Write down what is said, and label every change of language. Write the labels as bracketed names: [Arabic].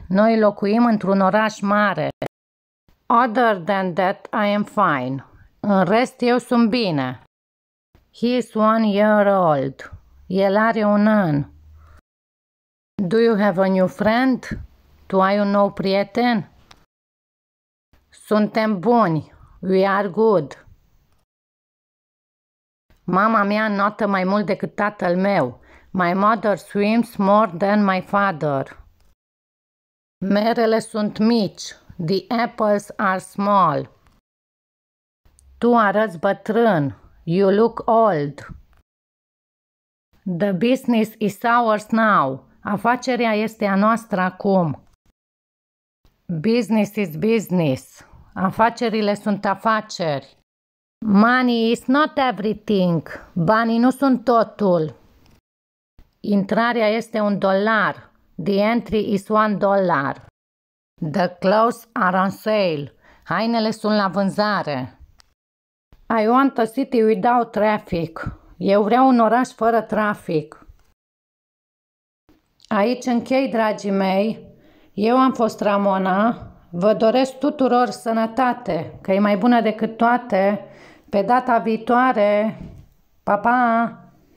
[Romanian] Noi locuim într-un oraș mare. [English] Other than that, I am fine. [Romanian] În rest, eu sunt bine. [English] He is 1 year old. [Romanian] El are un an. [English] Do you have a new friend? Tu ai un nou prieten? [Romanian] Suntem buni. [English] We are good. [Romanian] Mama mea înotă mai mult decât tatăl meu. [English] My mother swims more than my father. [Romanian] Merele sunt mici. [English] The apples are small. [Romanian] Tu arăți bătrân. [English] You look old. The business is ours now. [Romanian] Afacerea este a noastră acum. [English] Business is business. [Romanian] Afacerile sunt afaceri. [English] Money is not everything. [Romanian] Banii nu sunt totul. Intrarea este $1. [English] The entry is $1. The clothes are on sale. [Romanian] Hainele sunt la vânzare. [English] I want a city without traffic. [Romanian] Eu vreau un oraș fără trafic. Aici închei, dragii mei. Eu am fost Ramona. Vă doresc tuturor sănătate, că e mai bună decât toate. Pe data viitoare, pa, pa!